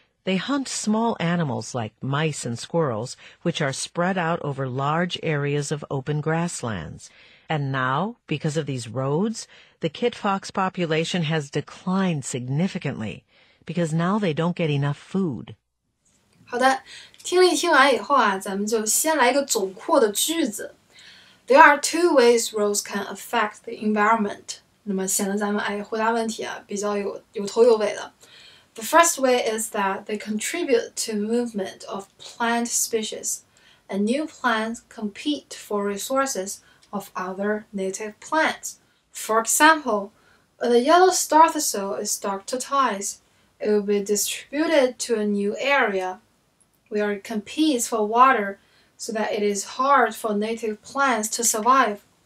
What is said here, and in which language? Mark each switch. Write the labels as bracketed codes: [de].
[en] They hunt small animals like mice and squirrels, which are spread out over large areas of open grasslands. And now, because of these roads, the kit fox population has declined significantly because now they don't get enough food. [zh] 好的，听力听完以后啊，咱们就先来一个总括的句子。 [en] There are two ways roads can affect the environment. [zh] 那么显得咱们哎回答问题啊比较有头有尾的。 [en] The first way is that they contribute to movement of plant species, and new plants compete for resources of other native plants. For example, when the yellow star thistle is stalactitized, it will be distributed to a new area where it competes for water so that it is hard for native plants to survive.